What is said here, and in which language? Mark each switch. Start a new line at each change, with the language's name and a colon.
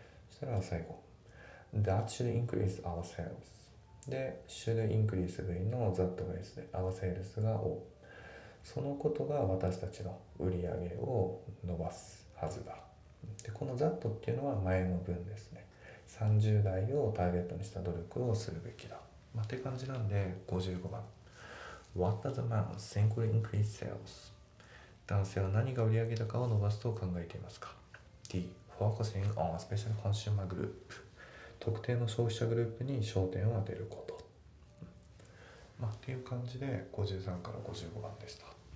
Japanese: そしたら最後
English: That should increase ourselves
Japanese: で、
English: should increase
Japanese: V の that base で、
English: our sales
Japanese: が O。そのことが私たちの売り上げを伸ばすはずだ。で、この that っていうのは前の文ですね。30代をターゲットにした努力をするべきだ。まあ、って感じなんで、55番。
English: What does a man think will increase sales?
Japanese: 男性は何が売り上げ高を伸ばすと考えていますか ?D.
English: Focusing on a special consumer group.
Japanese: 特定の消費者グループに焦点を当てること、まあ、っていう感じで53から55番でした。